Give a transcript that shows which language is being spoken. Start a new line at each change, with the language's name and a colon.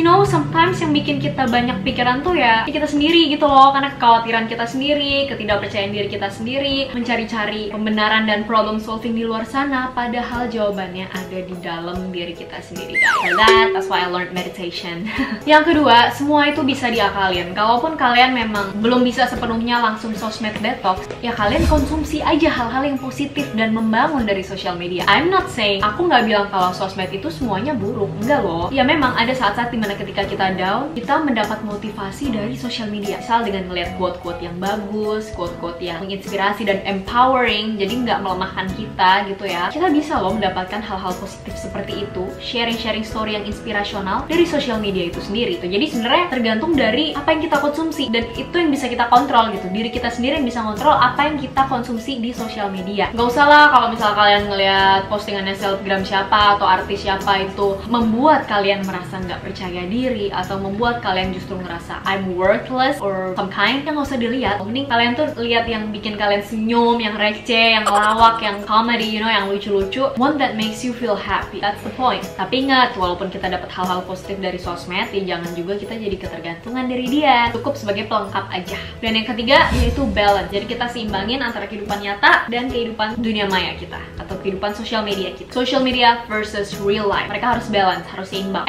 English: You know,
Indonesian: sometimes yang bikin kita banyak pikiran tuh ya kita sendiri gitu loh, karena kekhawatiran kita sendiri, ketidakpercayaan diri kita sendiri, mencari-cari pembenaran dan problem solving di luar sana, padahal jawabannya ada di dalam diri kita sendiri.
English: For that, that's why I learned meditation.
Indonesian: Yang kedua, semua itu bisa diakalin. Kalaupun kalian memang belum bisa sepenuhnya langsung sosmed detox, ya kalian konsumsi aja hal-hal yang positif dan membangun dari sosial media.
English: I'm not saying,
Indonesian: aku nggak bilang kalau sosmed itu semuanya buruk. Enggak loh. Ya memang ada saat-saat dimana ketika kita down, kita mendapat motivasi dari sosial media. Misal dengan ngeliat quote-quote yang bagus, quote-quote yang menginspirasi dan empowering, jadi nggak melemahkan kita gitu ya. Kita bisa loh mendapatkan hal-hal positif seperti itu, sharing-sharing story yang inspirasional dari sosial media itu sendiri. Jadi sebenarnya tergantung dari apa yang kita konsumsi, dan itu yang bisa kita kontrol gitu. Diri kita sendiri yang bisa kontrol apa yang kita konsumsi di sosial media. Gak usah lah kalau misalnya kalian ngeliat postingannya selebgram siapa atau artis siapa itu membuat kalian merasa gak percaya diri atau membuat kalian justru ngerasa
English: I'm worthless or some kind,
Indonesian: yang gak usah dilihat. Mending kalian tuh lihat yang bikin kalian senyum, yang receh, yang lawak, yang comedy,
English: you know,
Indonesian: yang lucu-lucu.
English: One that makes you feel happy, that's the point.
Indonesian: Tapi ingat, walaupun kita dapat hal-hal positif dari sosmed, ya jangan juga kita jadi ketergantungan dari dia. Cukup sebagai pelengkap aja. Dan yang ketiga, yaitu balance. Jadi kita seimbangin antara kehidupan nyata dan kehidupan dunia maya kita, atau kehidupan sosial media kita.
English: Social media versus real life,
Indonesian: mereka harus
English: balance,
Indonesian: harus seimbang.